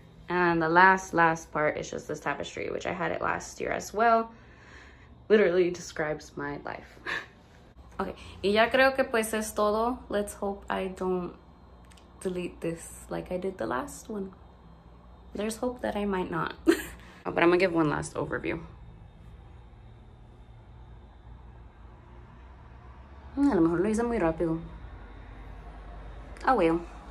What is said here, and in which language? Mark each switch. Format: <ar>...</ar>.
<en>And the last part is just this tapestry, which I had it last year as well. Literally describes my life.</en> <es>Okay, y ya creo que pues es todo.</es> <en>Let's hope I don't delete this like I did the last one. There's hope that I might not. Oh, but I'm gonna give one last overview.</en> <es>A lo mejor lo hice muy rápido.</es> <en>Oh well.</en>